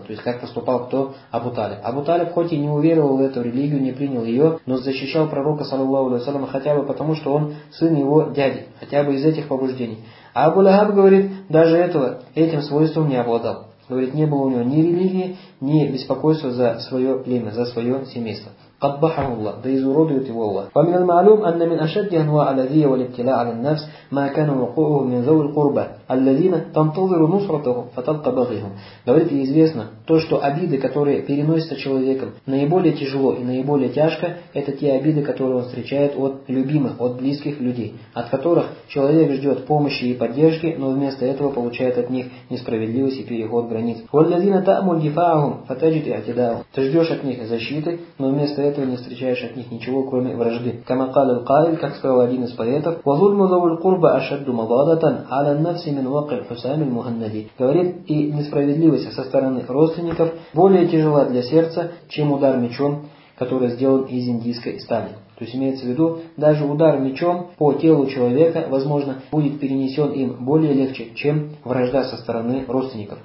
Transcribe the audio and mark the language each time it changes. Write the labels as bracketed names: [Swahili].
[Russian] То есть как поступал кто? Абу Талиб. Абу Талиб хоть и не уверовал в эту религию, не принял ее, но защищал пророка, саллиллаху алейхи ва саллям, хотя бы потому, что он сын его дяди, хотя бы из этих побуждений. А Абу-Лахаб говорит, даже этого, этим свойством не обладал. Говорит, не было у него ни религии, ни беспокойства за свое племя, за свое семейство. [Arabic] قبحه الله ذي زرودية والله. ومن المعلوم أن من أشد أنواع الأذية والابتلاء على النفس ما كان وقوعه من ذوي القربة الذين تنتظر نصرتهم فتلقى بغيهم. [Russian] Говорит, известно то, что обиды, которые переносятся человеком, наиболее тяжело и наиболее тяжко, это те обиды, которые он встречает от любимых, от близких людей, от которых человек ждет помощи и поддержки, но вместо этого получает от них несправедливость и переход границ. [Arabic] والذين تأمل دفاعهم فتجد اعتداءهم. [Russian] Ты ждешь от них защиты, но вместо этого не встречаешь от них ничего, кроме вражды. [Arabic] كما قال القائل, [Russian] как сказал один из поэтов, [Arabic] وظلم ذوي القربة أشد مضادة على النفس من وقع حسام المهندي. [Russian] Говорит, и несправедливость со стороны родственников более тяжела для сердца, чем удар мечом, который сделан из индийской стали. То есть имеется в виду, даже удар мечом по телу человека, возможно, будет перенесен им более легче, чем вражда со стороны родственников.